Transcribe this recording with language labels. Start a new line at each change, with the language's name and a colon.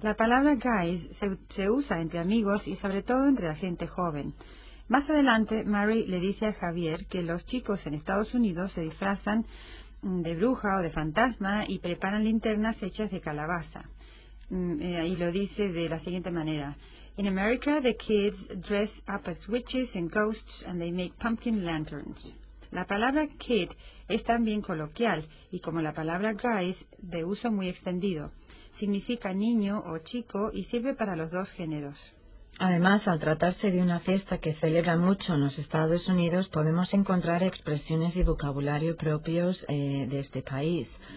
Spanish: La palabra «guys» se usa entre amigos y sobre todo entre la gente joven. Más adelante, Mary le dice a Javier que los chicos en Estados Unidos se disfrazan de bruja o de fantasma y preparan linternas hechas de calabaza. Y lo dice de la siguiente manera.
English: In America, the kids dress up as witches and ghosts and they make pumpkin lanterns.
Spanish: La palabra kid es también coloquial y como la palabra guys, de uso muy extendido. Significa niño o chico y sirve para los dos géneros. Además, al tratarse de una fiesta que celebra mucho en los Estados Unidos, podemos encontrar expresiones y vocabulario propios de este país.